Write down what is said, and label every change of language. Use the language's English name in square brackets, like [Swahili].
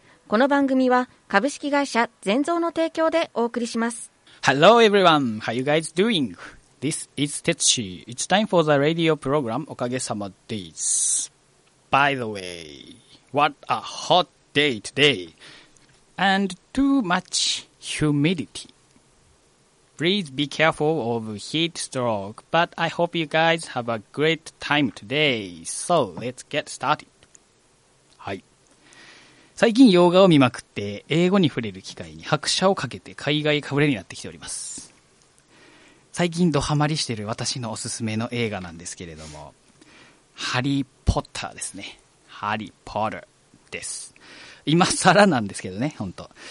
[Japanese] この番組は株式会社全蔵の提供でお送りします。 [English] Hello everyone, how you guys doing? This is Tetsuchi. It's time for the radio program おかげさまデイズ。 By the way, what a hot day today. And too much humidity. Please be careful of heat stroke, but I hope you guys have a great time today. So, let's get started. はい。 [Japanese] 最近洋画を見まくって英語に触れる機会に拍車をかけて海外かぶれになってきております。最近ドハマりしてる私のおすすめの映画なんですけれども、ハリーポッターですね。ハリーポッターです。今更なんですけどね、ほんと。